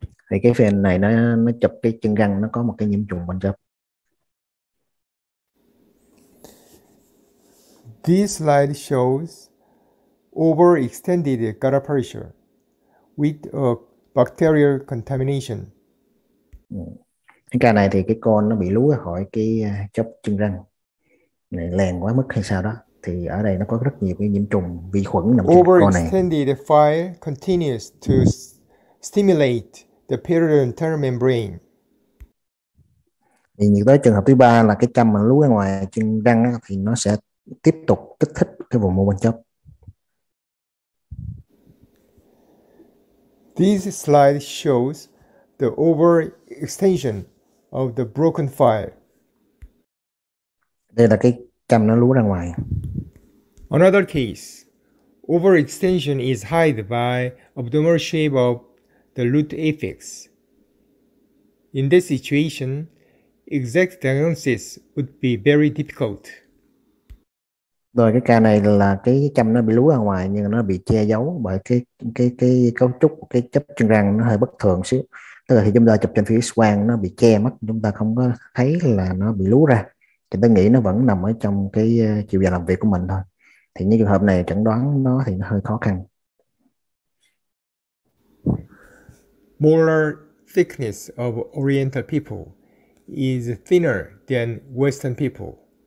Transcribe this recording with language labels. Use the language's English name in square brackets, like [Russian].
[Vietnamese] thì cái phần này nó chụp cái chân răng nó có một cái nhiễm trùng bên trong. [English] This slide shows overextended gutter pressure with a bacterial contamination. [Vietnamese] Cái ca này thì cái con nó bị lú khỏi cái chóp chân răng này lèn quá mức hay sao đó, thì ở đây nó có rất nhiều cái nhiễm trùng vi khuẩn nằm trong con này. [English] Overextended fire continues to stimulate the periodontal membrane. [Vietnamese] Thì như tới trường hợp thứ ba là cái châm mà lú ra ngoài chân răng đó, thì nó sẽ tiếp tục kích thích cái vùng mô bên chóp. [English] This slide shows the overextension of the broken file. [Vietnamese] Đây là cái châm nó lú ra ngoài. [English] Another case, overextension is hide by abnormal shape of the root apex. In this situation, exact diagnosis would be very difficult. [Vietnamese] Rồi cái ca này là cái châm nó bị lú ra ngoài nhưng nó bị che giấu bởi cái cấu trúc cái chóp chân răng nó hơi bất thường xíu. Tức là khi chúng ta chụp trên phía X-quang nó bị che mất, chúng ta không có thấy là nó bị lú ra. Chúng ta nghĩ nó vẫn nằm ở trong cái chiều dài làm việc của mình thôi. Thì những trường hợp này chẩn đoán nó thì nó hơi khó khăn. [English] Molar thickness of Oriental people is thinner than Western people.